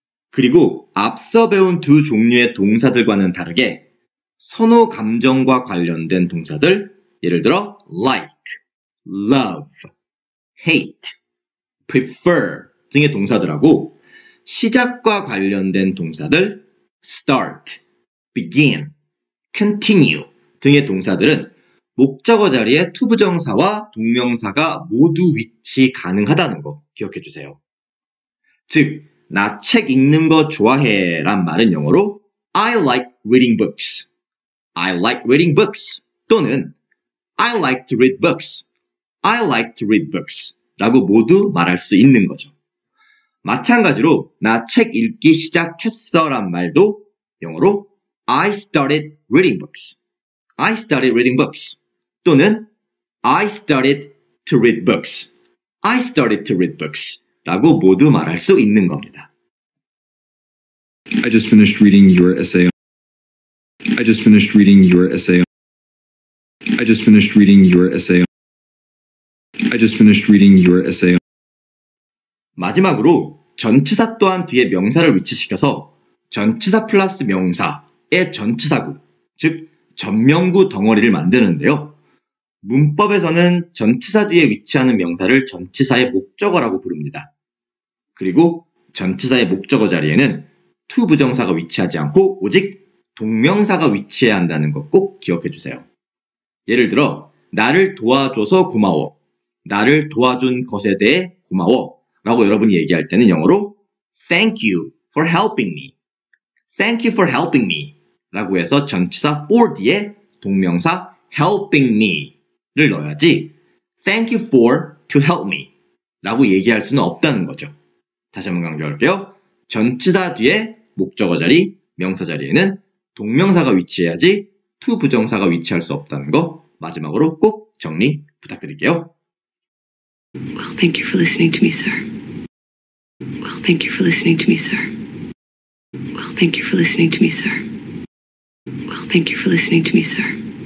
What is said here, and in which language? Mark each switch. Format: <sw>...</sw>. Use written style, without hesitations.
<ko>그리고 앞서 배운 두 종류의 동사들과는 다르게 선호 감정과 관련된 동사들, 예를 들어 like, love, hate, prefer 등의 동사들하고 시작과 관련된 동사들, start, begin, continue 등의 동사들은 목적어 자리에 to 부정사와 동명사가 모두 위치 가능하다는 거 기억해 주세요. 즉, 나 책 읽는 거 좋아해 란 말은 영어로</ko> <en>I like reading books. I like reading books. 또는 I like to read books. I like to read books.</en> <ko>라고 모두 말할 수 있는 거죠. 마찬가지로 나 책 읽기 시작했어 란 말도 영어로</ko> <en>I started reading books. I started reading books. 또는 I started to read books. I started to read books.</en> <ko>라고 모두 말할 수 있는 겁니다.</ko> <en>I just finished reading your essay. I just finished reading your essay. I just finished reading your essay. I just finished reading your essay.</en> <ko>마지막으로 전치사 또한 뒤에 명사를 위치시켜서 전치사 플러스 명사. 의 전치사구, 즉 전명구 덩어리를 만드는데요. 문법에서는 전치사 뒤에 위치하는 명사를 전치사의 목적어라고 부릅니다. 그리고 전치사의 목적어 자리에는 to 부정사가 위치하지 않고 오직 동명사가 위치해야 한다는 거 꼭 기억해 주세요. 예를 들어 나를 도와줘서 고마워, 나를 도와준 것에 대해 고마워 라고 여러분이 얘기할 때는 영어로</ko> <en>Thank you for helping me. Thank you for helping me.</en> <ko>라고 해서 전치사 for 뒤에 동명사 helping me를 넣어야지</ko> <en>thank you for to help me</en> <ko>라고 얘기할 수는 없다는 거죠. 다시 한번 강조할게요. 전치사 뒤에 목적어 자리, 명사 자리에는 동명사가 위치해야지 to 부정사가 위치할 수 없다는 거 마지막으로 꼭 정리 부탁드릴게요.</ko> <en>Well, thank you for listening to me, sir. Well, thank you for listening to me, sir. Well, thank you for listening to me, sir. Well, thank you for listening to me, sir.</en>